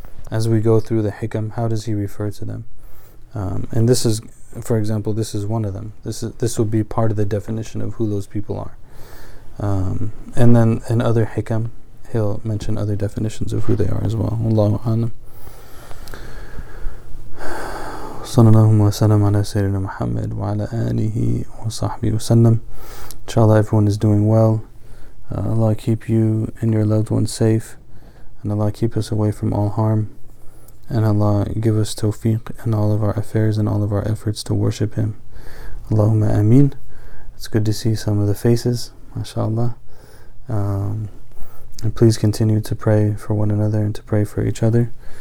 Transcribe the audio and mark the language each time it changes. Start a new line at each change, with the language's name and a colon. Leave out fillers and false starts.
English: As we go through the hikam, how does He refer to them? And this is, for example, this is one of them. This would be part of the definition of who those people are. And then in other hikam, He'll mention other definitions of who they are as well. Allahu a'lam.
Arabic: صلى الله وسلم على سيدنا محمد وعلى آله وصحبه وسلم.
English: Inshallah, everyone is doing well. Allah keep you and your loved ones safe, and Allah keep us away from all harm, and Allah give us tawfiq in all of our affairs and all of our efforts to worship Him.
Arabic: Allahumma ameen.
English: It's good to see some of the faces, mashallah. And please continue to pray for one another and to pray for each other.